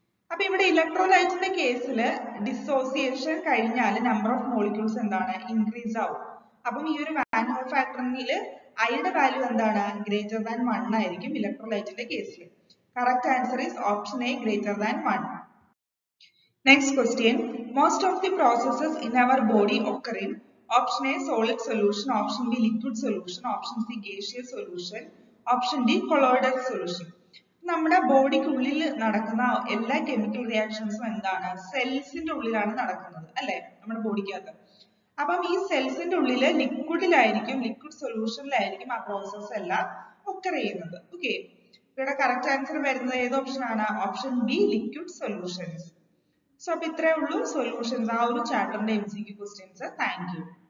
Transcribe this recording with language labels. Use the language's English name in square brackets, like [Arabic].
[Malayalam] അപ്പൊ ഇവിടെ ഇലക്ട്രോലൈറ്റിന്റെ കേസിൽ ഡിസോസിയേഷൻ കഴിഞ്ഞാൽ നമ്പർ ഓഫ് മോളിക്യൂൾസ് എന്താണ് ഇൻക്രീസ് ആവും. അപ്പം ഈ ഒരു വാൻ ഹോഫ് ഫാക്ടറിൽ ഐയുടെ വാല്യൂ എന്താണ് ഗ്രേറ്റർ ദാൻ വൺ ആയിരിക്കും ഇലക്ട്രോലൈറ്റിന്റെ കേസിൽ. [English] Correct answer is option A greater than one. Next question, most of the processes in our body occur in option A solid solution, option B liquid solution, option C gaseous solution, option D colloidal solution. [Malayalam] നമ്മുടെ ബോഡിക്കുള്ളിൽ നടക്കുന്ന എല്ലാ chemical റിയാക്ഷൻസും എന്താണ് സെൽസിന്റെ ഉള്ളിലാണ് നടക്കുന്നത് അല്ലെ, നമ്മുടെ ബോഡിക്കകത്ത്. അപ്പം ഈ സെൽസിന്റെ ഉള്ളില് ലിക്വിഡിലായിരിക്കും, ലിക്വിഡ് സൊല്യൂഷനിലായിരിക്കും ആ പ്രോസസ് എല്ലാം ഒക്കർ ചെയ്യുന്നത്. ഓക്കെ, ഇവിടെ കറക്റ്റ് ആൻസർ വരുന്നത് ഏത് ഓപ്ഷൻ ആണ്? Option B liquid solutions. So അപ്പൊ ഇത്രയേ ഉള്ളൂ സൊല്യൂഷൻസ് ആ ഒരു ചാപ്റ്ററിന്റെ എംസിക്യു ക്വസ്റ്റ്യൻസ്. [English] Thank you.